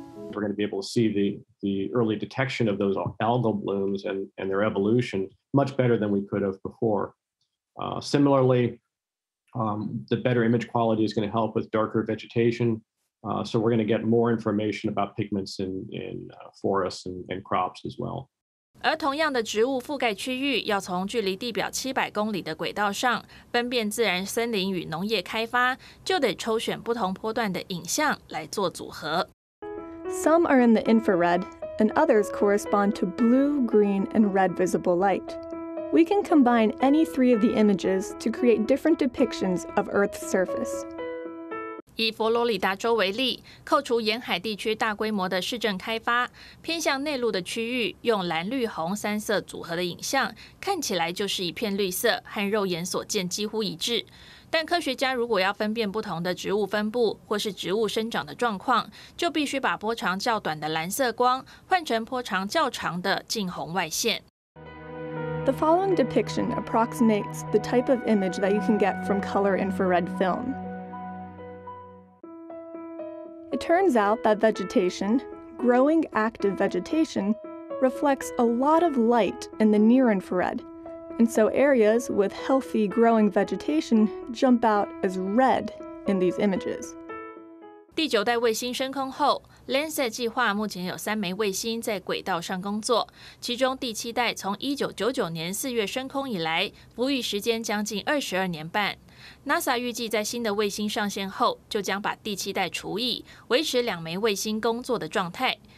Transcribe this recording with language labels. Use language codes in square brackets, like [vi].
[en] We're going to be able to see the early detection of those algal blooms and their evolution much better than we could have before. Similarly, the better image quality is going to help with darker vegetation. So we're going to get more information about pigments in forests and crops as well. [zh] 而同样的植物覆盖区域要从距离地表700公里的轨道上分辨自然森林与农业开发，就得抽选不同波段的影像来做组合。 [en] Some are in the infrared, and others correspond to blue, green, and red visible light. We can combine any three of the images to create different depictions of Earth's surface. [zh] 以佛罗里达州为例，扣除沿海地区大规模的市政开发，偏向内陆的区域用蓝、绿、红三色组合的影像，看起来就是一片绿色，和肉眼所见几乎一致。但科学家如果要分辨不同的植物分布或是植物生长的状况，就必须把波长较短的蓝色光换成波长较长的近红外线。 [en] The following depiction approximates the type of image that you can get from color infrared film. It turns out that vegetation, growing active vegetation, reflects a lot of light in the near infrared. And so areas with healthy growing vegetation jump out as red in these images. [zh] 第九代卫星升空后 ，Landsat 计划目前有三枚卫星在轨道上工作，其中第七代从1999年4月升空以来，服役时间将近22年半。 NASA 预计在新的卫星上线后，就将把第七代除役，维持两枚卫星工作的状态。